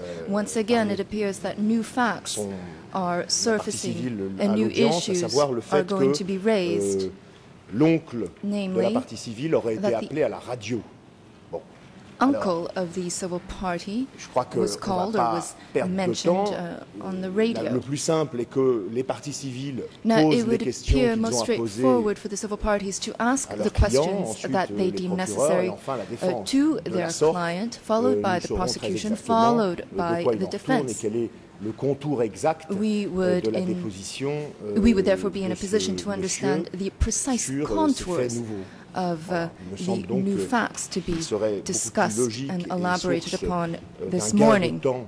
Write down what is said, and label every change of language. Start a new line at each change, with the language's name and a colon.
English: once again it appears that new facts are surfacing and new issues
French: à savoir le fait
English: are going to be raised.
French: l'oncle de la partie civile aurait été appelé à la radio.
English: Uncle of the civil party was called or was mentioned on the radio.
French: Le plus simple est que les parties civiles posent les questions qu'ils ont à poser.
English: Now it would appear most straightforward for the civil parties to ask the questions that they deem necessary to their client, followed by the prosecution, followed by the defense.
French: Le contour exact de la déposition.
English: We would therefore be in a position to understand the precise contours of the new facts to be discussed and elaborated upon this morning.